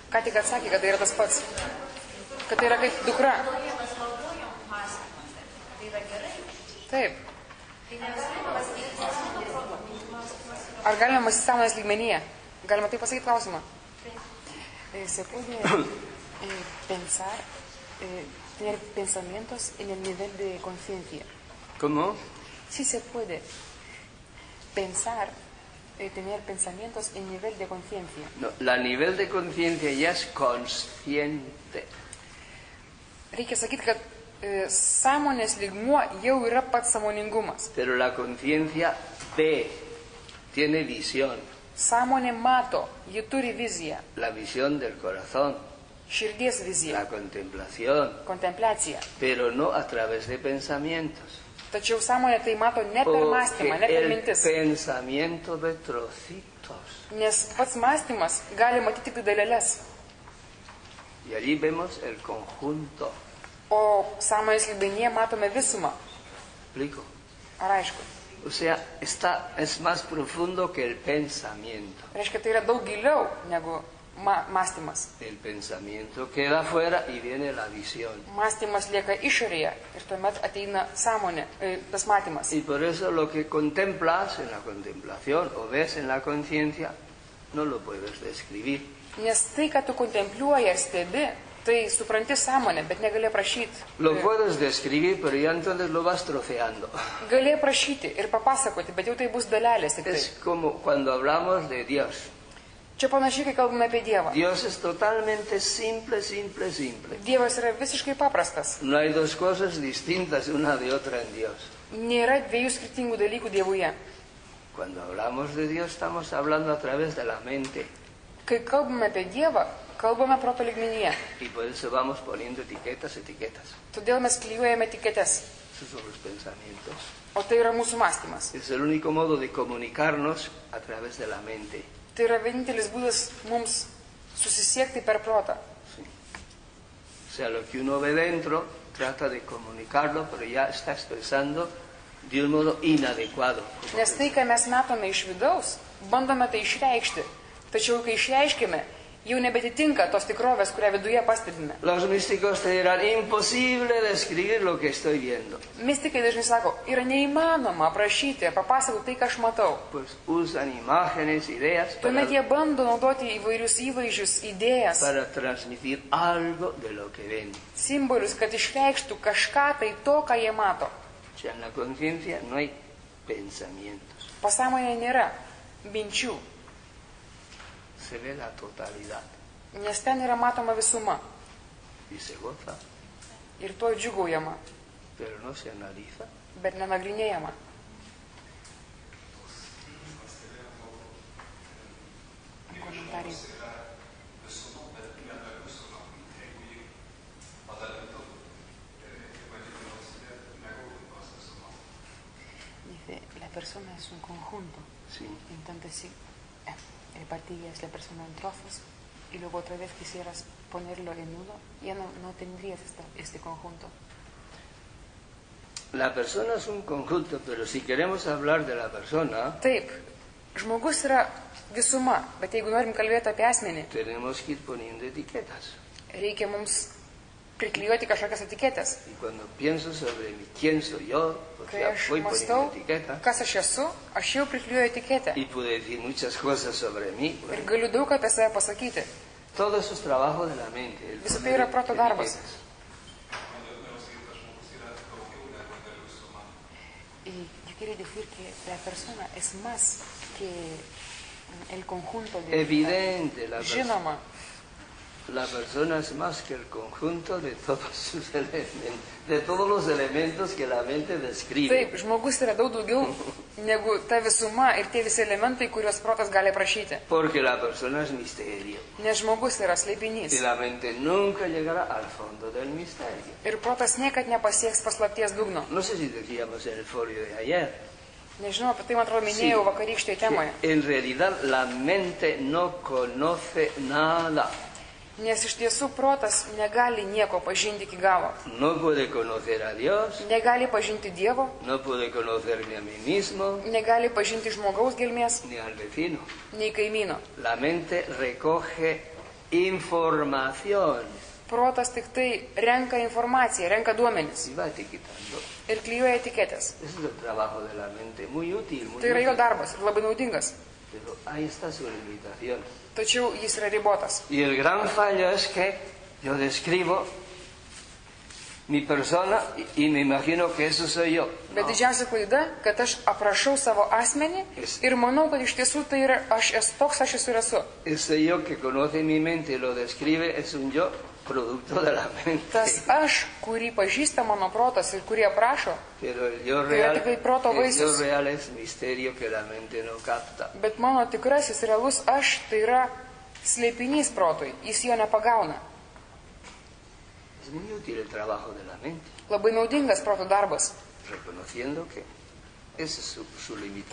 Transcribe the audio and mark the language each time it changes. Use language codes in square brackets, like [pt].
[lt] ką tik atsakė, kad tai yra tas pats? Kad tai yra kaip dukra? Mes galvojom mąstymas, tai yra gerai? Taip. Tai ne visai mąstymas nuo proto, mąstymas. Ar galima mąstyti sąmonės lygmenyje? Galima taip pasakyti klausimą? Taip. Sekundė, [es] pensar... tener pensamientos en el nivel de conciencia. ¿Cómo? Sí se puede pensar, tener pensamientos en nivel de conciencia. No, la nivel de conciencia ya es consciente. [lt] Reikia sakyti, kad sąmonės lygmuo jau yra pats sąmoningumas. [es] Pero la conciencia ve, tiene visión. [lt] Sąmonė mato, ji turi viziją. [es] La visión del corazón. [lt] Širdies vizija. [es] La contemplación. [lt] Contemplacija. [es] Pero no a través de pensamientos. [lt] Tačiau sąmonė tai mato ne per mąstymą, ne per mintis. [es] El pensamiento de trocitos. [lt] Nes pats mąstymas gali matyti tik dalelės. [es] Y allí vemos el conjunto. [lt] O sąmonės lygmenyje matome visumą. [es] Explico. [lt] Ar aišku? [es] O sea, está, es más profundo que el pensamiento. [lt] Reiškia, tai yra daug giliau negu... mąstymas. [es] El pensamiento queda fuera y viene la visión. [lt] Mąstymas lieka išorėje ir tuomet ateina sąmonė, tas matymas. [es] Y por eso lo que contemplas en la contemplación o ves en la conciencia no lo puedes describir. [lt] Nes tai, ką tu kontempliuoji ar stebi, tai supranti sąmonę, bet negali aprašyti. [es] Lo puedes describir, pero ya entonces lo vas troceando. [lt] Gali aprašyti ir papasakoti, bet jau tai bus dalelės. [es] Es como cuando hablamos de Dios. [lt] Čia panašiai, kai kalbame apie Dievą. [es] Dios es totalmente simple, simple, simple. [lt] Dievas yra visiškai paprastas. [es] No hay dos cosas distintas una de otra en Dios. [lt] Nėra dviejų skirtingų dalykų Dievuje. [es] Cuando hablamos de Dios, estamos hablando a través de la mente. [lt] Kai kalbame apie Dievą, kalbame proto lygmenyje. [es] Y por eso vamos poniendo etiquetas, etiquetas. [lt] Todėl mes klyvojame etiketes. [es] Esos son los pensamientos. [lt] O tai yra mūsų mąstymas. [es] Es el único modo de comunicarnos a través de la mente. [lt] Tai yra vienintelis būdas mums susisiekti per protą. [es] Sí. O sea, lo que uno ve dentro, trata de comunicarlo, pero ya está expresando de un modo inadecuado. [lt] Nes tai, ką mes matome iš vidaus, bandome tai išreikšti. Tačiau, kai išreiškime, jau nebetitinka tos tikrovės, kurią viduje pastebime. [es] Los místicos te dirán, imposible describir lo que estoy viendo. [lt] Mystikai dažnai sako, yra neįmanoma aprašyti, papasakoti tai, ką aš matau. [es] Pues usan imágenes, ideas. [lt] Tuomet jie bando naudoti įvairius įvaizdžius, idėjas. [es] Para transmitir algo de lo que ven. [lt] Simbolius, kad išreikštų kažką tai to, ką jie mato. Čia [es] en la conciencia no hay pensamientos. [lt] Pasąmonėje nėra minčių. [es] Se ve la totalidad. [lt] Nes ten yra matoma visuma. [es] Y se goza. [lt] Ir to džiugaujama. [es] Pero no se analiza. [lt] Bet nenagrinėjama. Komentarį. [es] Dice, la persona es un conjunto. Sí. Entonces sí. Repartirías la persona en trozos y luego otra vez quisieras ponerlo en uno, ya no tendrías este conjunto. La persona es un conjunto, pero si queremos hablar de la persona, [lt] taip, žmogus yra visuma, bet jeigu norim kalbėti apie asmenį, [es] tenemos que ir poniendo etiquetas. [lt] Reikia mums priklijuoti kažkokias etiketas. [es] Y cuando pienso sobre mi, quién soy yo, pues ya voy poniendo etiqueta. [lt] Kas aš esu, aš jau priklijuoju etiketę. [es] Y puedo decir muchas cosas sobre mí. Bueno. [lt] Ir galiu daug apie save pasakyti. [es] Todo eso es trabajo de la mente. [lt] Visa tai yra proto darbas. [es] Y yo quiero decir que la persona es más que el conjunto de... Evidente, la persona. [lt] Žinoma. [es] La persona es más que el conjunto de todos sus elementos, de todos los elementos que la mente describe. [lt] Taip, žmogus yra daug daugiau negu ta visuma ir tie visi elementai, kuriuos protas gali aprašyti. [es] Porque la persona es misterio. [lt] Nes žmogus yra slėpinys. [es] Y la mente nunca llegará al fondo del misterio. [lt] Ir protas niekad nepasieks paslapties dugno. [es] No sé si decíamos en el foro de ayer. [lt] Nežinau, apie tai, man atrodo, minėjau [es] sí, [lt] vakarykštėje temoje. [es] En realidad la mente no conoce nada. [lt] Nes iš tiesų protas negali nieko pažinti iki galo. [es] No puede conocer a Dios. [lt] Negali pažinti Dievo. [es] No puede conocerme a mí mismo. [lt] Negali pažinti žmogaus gelmės. [es] Ni al vecino. [lt] Nei kaimyno. [es] La mente recoge información. [lt] Protas tik tai renka informaciją, renka duomenis. [es] Y va etiquetando. [lt] Ir klyvoja etiketės. [es] Es el trabajo de la mente, muy útil. [lt] Tai yra jo darbas, labai naudingas. [es] Pero ahí está su limitación. [lt] Tačiau jis yra ribotas. [es] Y el gran fallo es que yo describo mi persona y me imagino que eso soy yo. [lt] Bet didžiausia klaida, kad aš aprašau savo asmenį ir manau, kad iš tiesų tai yra aš esu toks, aš esu ir esu. [es] Ese yo que conoce mi mente y lo describe es un yo producto de la mente. [lt] Tas aš, kurį pažįsta mano protas ir kurį aprašo, [es] pero el yo real, [lt] yra tikai proto vaisius. [es] El yo real es misterio que la mente no capta. [lt] Bet mano tikrasis realus aš tai yra slėpinys protui, jis jo nepagauna. [es] Es muy útil el trabajo de la mente. [lt] Labai naudingas proto darbas. [es] Reconociendo que ese es su limitación.